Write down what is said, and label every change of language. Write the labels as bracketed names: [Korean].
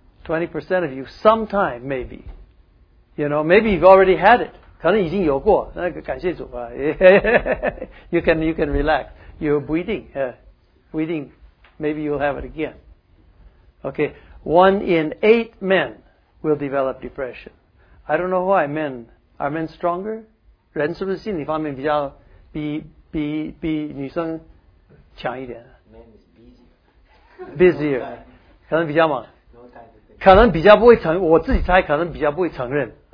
[English] 20% of you, sometime maybe, you know, maybe you've already had it. [Chinese] 可能已经有过，那个感谢主啊。 [English] you can relax. You're breathing. Breathing. Maybe you'll have it again. Okay. 1 in 8 men will develop depression. I don't know why men, are men stronger? [Chinese] 人是不是心理方面比较比女生强一点？ [English] Men is busier. Busier. [Chinese] 可能比较忙。可能比较不会承认，我自己猜可能比较不会承认。